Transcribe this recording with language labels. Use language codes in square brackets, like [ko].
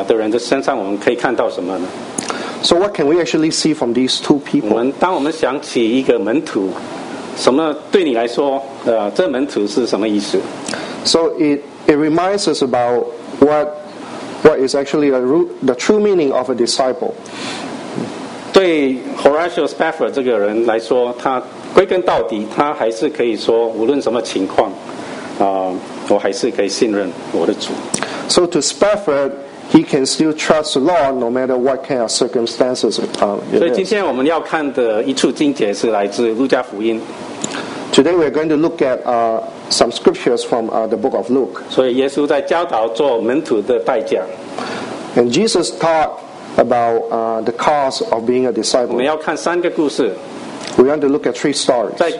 [zh] 所以我们在这两位的人的身上，我们可以看到什么呢？ [en] So what can we actually see from these two people? [zh] 当我们想起一个门徒。什么对你来说，这门徒是什么意思？ [en] So it reminds us about what is actually the true meaning of a disciple. [zh] 对 Horatio Spafford 这个人来说，他归根到底，他还是可以说，无论什么情况，我还是可以信任我的主。 [en] So to Spafford, he can still trust the Lord no matter what kind of circumstances. [zh] 所以今天我们要看的一处经节是来自路加福音。 [en] Today we're going to look at some scriptures from the book of Luke. [zh] 所以耶稣在教导做门徒的代价。 [en] And Jesus taught about the cost of being a disciple. [zh] 我们要看三个故事。 [en] We want to look at three stories.